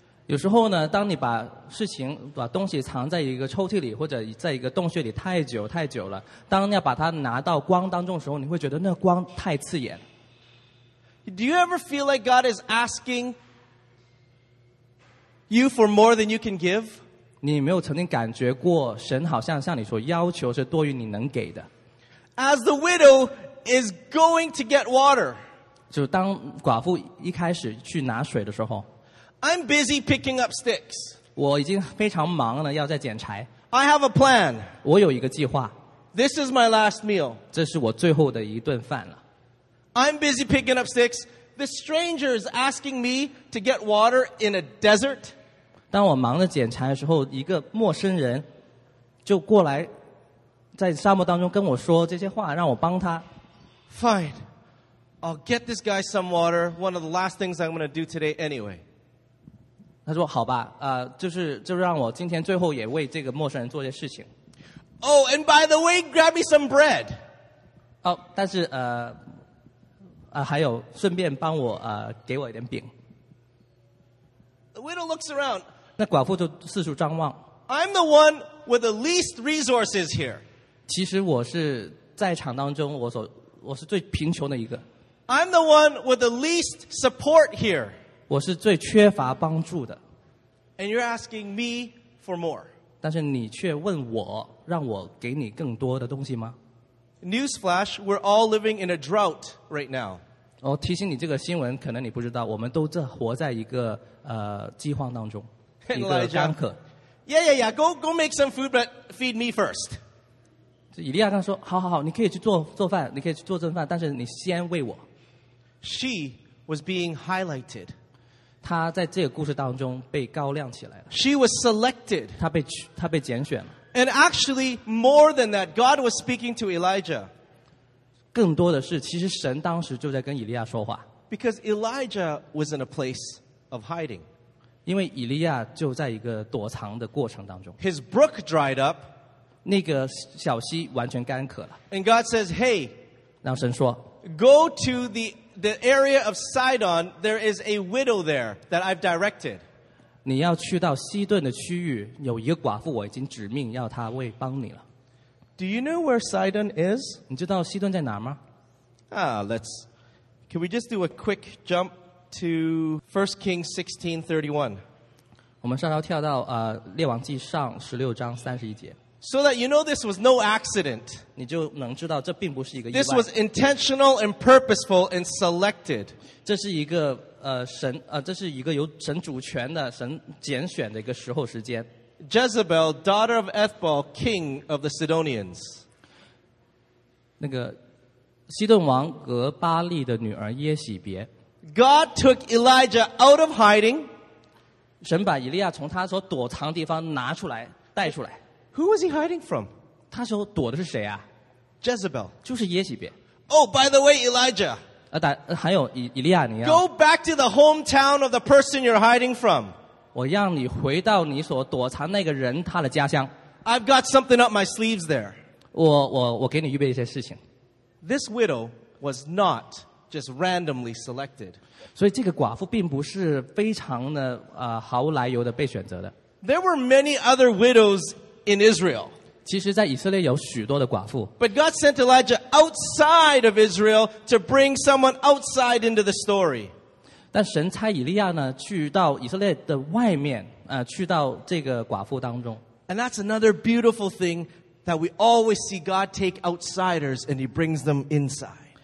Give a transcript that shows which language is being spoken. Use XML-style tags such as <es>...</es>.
<zh>有时候呢，当你把事情把东西藏在一个抽屉里或者在一个洞穴里太久太久了，当你要把它拿到光当中的时候，你会觉得那光太刺眼。</zh> <en>Do you ever feel like God is asking you for more than you can give?</en> <zh>你没有曾经感觉过神好像向你所要求是多于你能给的。</zh> <en>As the widow is going to get water,</en> <zh>就当寡妇一开始去拿水的时候，</zh> <en>I'm busy picking up sticks.</en> <zh>我已经非常忙了，要在捡柴。</zh> <en>I have a plan.</en> <zh>我有一个计划。</zh> <en>This is my last meal.</en> <zh>这是我最后的一顿饭了。</zh> <en>I'm busy picking up sticks. The stranger is asking me to get water in a desert.</en> <zh>当我忙着捡柴的时候，一个陌生人就过来，在沙漠当中跟我说这些话，让我帮他。</zh> <en>Fine, I'll get this guy some water. One of the last things I'm going to do today, anyway.</en> <zh>他说：“好吧，就让我今天最后也为这个陌生人做些事情。”</zh> <en>Oh, and by the way, grab me some bread.</en> <zh>哦，但是还有顺便帮我给我一点饼。</zh> <en>The widow looks around.</en> <zh>那寡妇就四处张望。</zh> <en>I'm the one with the least resources here.</en> <zh>其实我是在场当中我是最贫穷的一个。</zh> <en>I'm the one with the least support here.</en> <zh>我是最缺乏帮助的。</zh> <en>And you're asking me for more.</en> <zh>但是你却问我让我给你更多的东西吗？</zh> <en>Newsflash, we're all living in a drought right now.</en> <zh>哦，提醒你这个新闻可能你不知道，我们都在活在一个饥荒当中。</zh> <en>Elijah, yeah, go make some food, but feed me first.</en> <zh>以利亚刚说，好好好，你可以去做饭，你可以去做正饭，但是你先喂我。</zh> <en>She was being highlighted.</en> <zh>她在这个故事当中被高亮起来了。</zh> <en>She was selected.</en> <zh>她被拣选了。</zh> <en>And actually, more than that, God was speaking to Elijah.</en> <zh>更多的是，其实神当时就在跟以利亚说话。</zh> <en>Because Elijah was in a place of hiding.</en> <zh>因为以利亚就在一个躲藏的过程当中。</zh> <en>His brook dried up.</en> <zh>那个小溪完全干渴了。</zh> <en>And God says, hey.</en> <zh>然后神说。</zh> <en>Go to the area of Sidon. There is a widow there that I've directed.</en> <zh>你要去到西顿的区域，有一个寡妇我已经指命要她为帮你了。</zh> <en>Do you know where Sidon is?</en> <zh>你知道西顿在哪吗？</zh> <en>Can we just do a quick jump? To 1 Kings 16:31.</en> <zh>我们稍稍跳到列王记上16章31节。</zh> <en>So that you know this was no accident.</en> <zh>你就能知道这并不是一个意外。</zh> <en>This was intentional and purposeful and selected.</en> <zh>这是一个这是一个由神主权的神拣选的一个时候时间。</zh> <en>Jezebel, daughter of Ethbaal, king of the Sidonians.</en> <zh>那个西顿王格巴利的女儿耶喜别。</zh> <en>God took Elijah out of hiding.</en> <zh>神把以利亚从他所躲藏的地方拿出来，带出来。</zh> <en>Who was he hiding from?</en> <zh>他所躲的是谁啊？</zh> <en>Jezebel.</en> <zh>就是耶洗别。</zh> <en>Oh, by the way, Elijah.</en> <zh>还有以利亚，你要。</zh> <en>Go back to the hometown of the person you're hiding from.</en> <zh>我让你回到你所躲藏那个人他的家乡。</zh> <en>I've got something up my sleeves there.</en> <zh>我给你预备一些事情。</zh> <en>This widow was not. Just randomly selected.</en> <zh>所以这个寡妇并不是非常的毫无来由的被选择的。</zh> <en>There were many other widows in Israel. But God sent Elijah outside of Israel to bring someone outside into the story.</en> <zh>但神差以利亚呢,去到以色列的外面,去到这个寡妇当中。</zh> <en>And that's another beautiful thing that we always see God take outsiders and he brings them inside.</en>